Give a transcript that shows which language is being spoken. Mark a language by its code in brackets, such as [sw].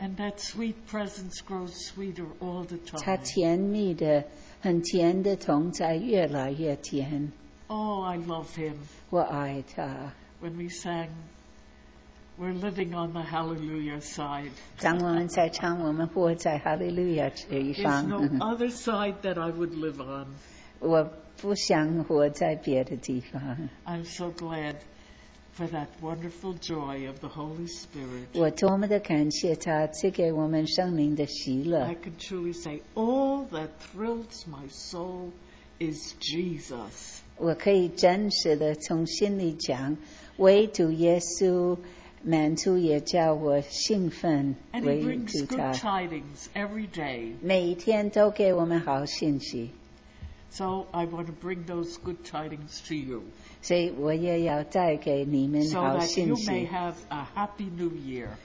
[en] And that sweet presence grows sweeter all the time. [zh] 他甜蜜的、很甜的同在越来越甜。 [en] Oh, I love him. [zh] 我爱他。 [en] When we sang. We're living on the Hallelujah side. [zh] 当我们在唱，我们活在 Hallelujah 这一方。 [en] There's no other side that I would live on. [zh] 我不想活在别的地方。 [en] I'm so glad for that wonderful joy of the Holy Spirit. [zh] 我多么的感谢他赐给我们圣灵的喜乐。 [en] I can truly say, all that thrills my soul is Jesus. [zh] 我可以真实的从心里讲，唯独耶稣。满足也叫我兴奋唯独他 [en] And he brings good tidings every day. [zh] 每一天都给我们好信息 [en] So I want to bring those good tidings to you. [zh] 所以我也要带给你们好信息 [en] So that you may have a happy new year.